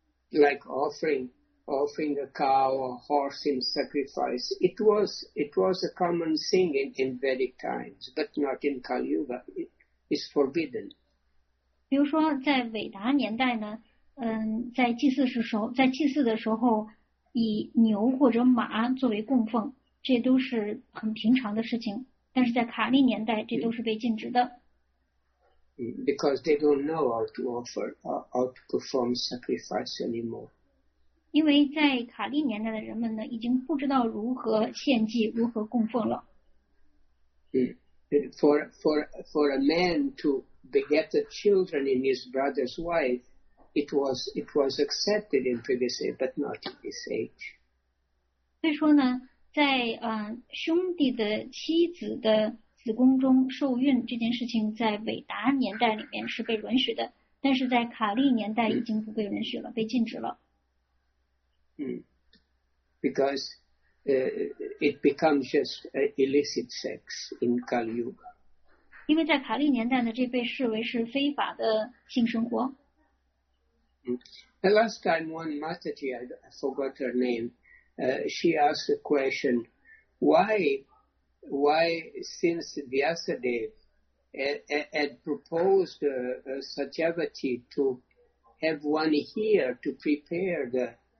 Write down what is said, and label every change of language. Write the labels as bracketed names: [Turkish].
[English] Like offering a cow or horse in sacrifice, it was a common thing in Vedic times, but not in Kali Yuga. Is forbidden. [Chinese] 比如说在伟达年代呢，在祭祀时候，在祭祀的时候以牛或者马作为供奉，这都是很平常的事情。但是在卡利年代，这都是被禁止的。 [English] Because they don't know how to offer, how to perform sacrifice anymore. [Chinese] 因为在卡利年代的人们呢，已经不知道如何献祭、如何供奉了。 [English] For a man to beget the children in his brother's wife, it was accepted in previous age, but not in this age. [Chinese] 所以说呢，在兄弟的妻子的子宫中受孕这件事情，在韦达年代里面是被允许的，但是在卡利年代已经不被允许了，被禁止了。 [English] Because it becomes just illicit sex in Kali Yuga. [Chinese] 因为在卡利年代呢，这被视为是非法的性生活。 [English] The last time one Mataji, I forgot her name, she asked a question, why since Vyasadeva had proposed Satyavati to have one here to prepare the